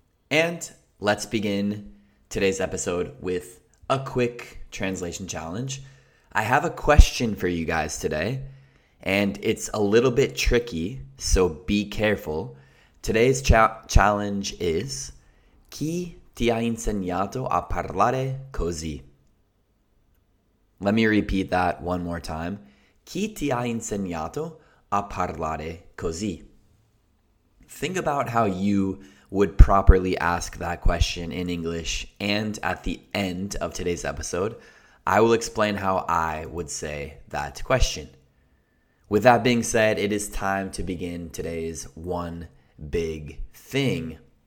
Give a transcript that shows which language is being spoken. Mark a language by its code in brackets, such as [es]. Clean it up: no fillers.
[en] And let's begin today's episode with a quick translation challenge. I have a question for you guys today, and it's a little bit tricky, so be careful. Today's challenge is, [it] chi ti ha insegnato a parlare così? [en] Let me repeat that one more time. [it] Chi ti ha insegnato a parlare così? [en] Think about how you would properly ask that question in English, and at the end of today's episode, I will explain how I would say that question. With that being said, it is time to begin today's one big thing.